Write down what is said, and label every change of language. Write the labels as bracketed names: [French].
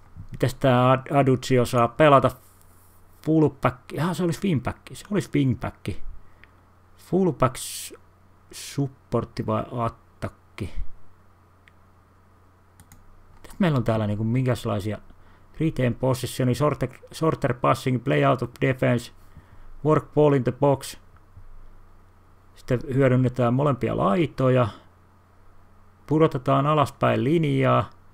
[Finnish] Mitäs tää Aduzio saa pelata? Fullback... Jaha, se olisi wingback. Fullback supportti vai attakki? Meillä on täällä niinku minkälaisia... [English] Retain possessioni, shorter passing, play out of defense, work ball in the box. [Finnish] Sitten hyödynnetään molempia laitoja. Pudotetaan alaspäin linjaa.